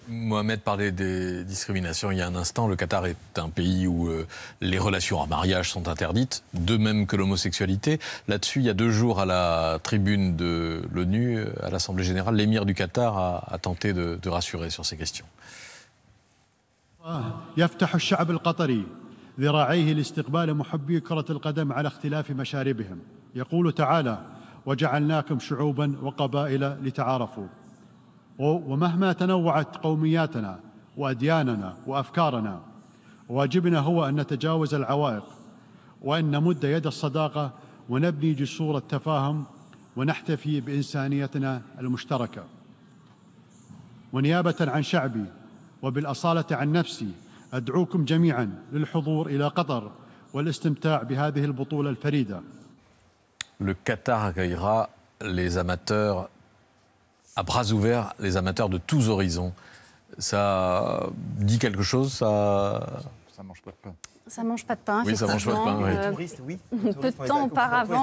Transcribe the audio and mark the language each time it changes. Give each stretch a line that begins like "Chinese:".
French: Mohamed parlait des discriminations il y a un instant. Le Qatar est un pays où les relations en mariage sont interdites, de même que l'homosexualité. Là-dessus, il y a deux jours, à la tribune de l'ONU, à l'Assemblée Générale, l'émir du Qatar a tenté de rassurer sur ces questions.
Arabic: يفتح الشعب القطري ذراعيه لاستقبال محبي كرة القدم على اختلاف مشاربهم يقول تعالى وجعلناكم شعوبا وقبائل لتعارفوا ومهما تنوعت قومياتنا وأدياننا وأفكارنا واجبنا هو أن نتجاوز العوائق وأن نمد يد الصداقة ونبني جسور التفاهم ونحتفي بإنسانيتنا المشتركة ونيابة عن شعبي وبالأصالة عن نفسي أدعوكم جميعا للحضور إلى قطر والاستمتاع بهذه البطولة الفريدة.
French: Le Qatar accueillera les amateurs à bras ouverts, les amateurs de tous horizons. Ça dit quelque chose, ça? Ça mange pas de pain. Ça mange pas de pain. Oui, ça mange pas de pain. Touristes, oui. Peu de temps auparavant.